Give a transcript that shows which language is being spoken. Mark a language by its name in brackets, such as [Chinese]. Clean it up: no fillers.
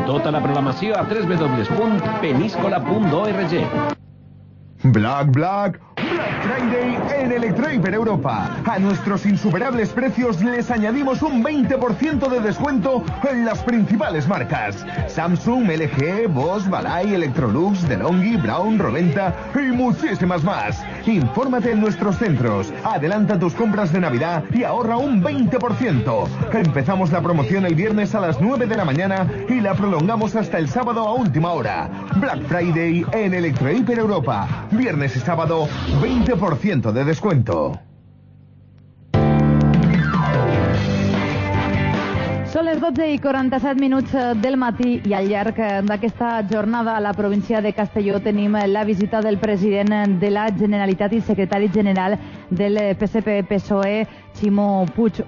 [Catalan] Tota la programació a www.peniscola.org. [Spanish] Black, black, black. Friday en Electroiper Europa. A nuestros insuperables precios les añadimos un 20% de descuento en las principales marcas. Samsung, LG, Bosch, Balay, Electrolux, De'Longhi, Braun, Roventa y muchísimas más. Infórmate en nuestros centros, adelanta tus compras de Navidad y ahorra un 20%. Empezamos la promoción el viernes a las 9 de la mañana y la prolongamos hasta el sábado a última hora. Black Friday en Electrohiper Europa. Viernes y sábado, 20% de descuento. [Catalan] Són les 12 i 47 minuts del matí i al llarg d'aquesta jornada a la província de Castelló tenim la visita del president de la Generalitat i secretari general del PSPE-PSOE, Ximo Puig.